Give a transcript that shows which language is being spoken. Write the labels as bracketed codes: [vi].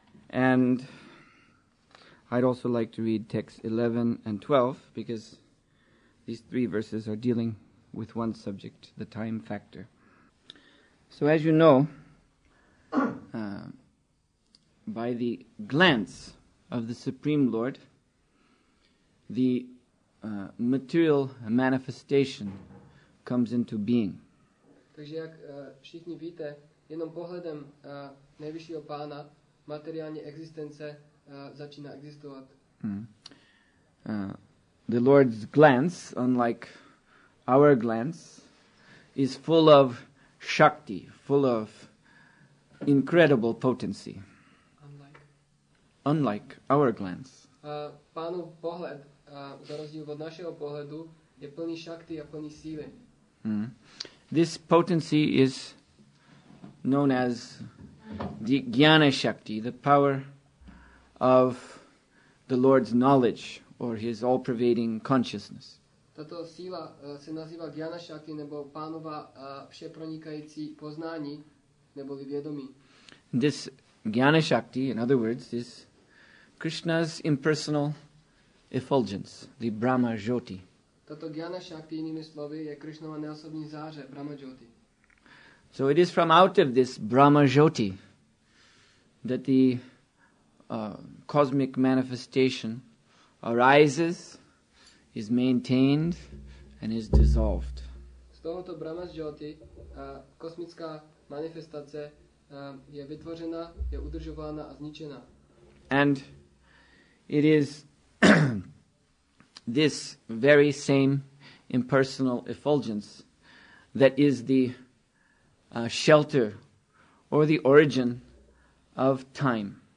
[en] And I'd also like to read text 11 and 12, because these three verses are dealing with one subject, the time factor. So as you know, by the glance of the Supreme Lord, the material manifestation comes into being. [cs] Takže jak všichni víte, jenom pohledem nejvyššího pána materiální existence začíná existovat. [en] The Lord's glance, unlike our glance, is full of shakti, full of incredible potency. Unlike our glance. [cs] Pánův pohled, za rozdíl od našeho pohledu, je plný šakty a plný síly. [en] This potency is known as the Jnana Shakti, the power of the Lord's knowledge or his all-pervading consciousness. [cs] Tato síla se nazývá Jnana Shakti, nebo pánova všepronikající poznání, neboli vědomí. [en] This Jnana Shakti, in other words, is Krishna's impersonal effulgence, the Brahma Jyoti. [cs] Tato Jnana Shakti, jinými slovy, je Krishnova neosobní záře, Brahma Jyoti. [en] So it is from out of this Brahma Jyoti that the cosmic manifestation arises, is maintained, and is dissolved. [cs] Z tohoto Brahma Jyoti kosmická manifestace je vytvořena, je udržována a zničena. [en] And it is this very same impersonal effulgence that is the shelter or the origin of time.